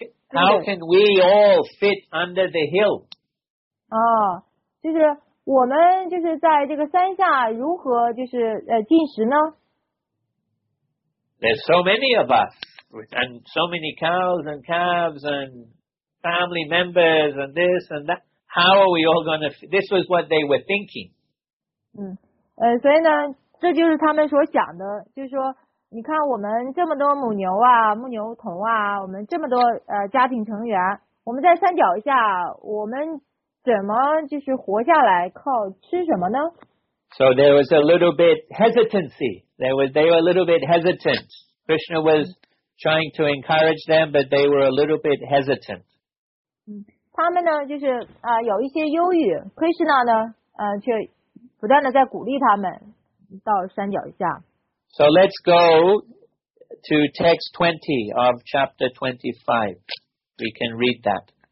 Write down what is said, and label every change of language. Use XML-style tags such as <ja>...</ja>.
<en>how can we all fit under the hill</en> <zh>就是我们就是在这个山下如何就是进食呢</zh> <en>there's so many of us and so many cows and calves and family members and this and that how are we all going to this was what they were thinking</en> <zh>所以呢这就是他们所想的就是说你看我们这么多母牛啊母牛童啊我们这么多家庭成员我们在山脚下我们怎么就是活下来靠吃什么呢</zh> <en>So there was a little bit hesitancy. They were a little bit hesitant. Krishna was trying to encourage them, but they were a little bit hesitant.</en> <zh>他们呢就是有一些忧郁 Krishna 呢却不断的在鼓励他们到山脚下。</zh> <en>So let's go to text 20 of chapter 25. We can read that.</en>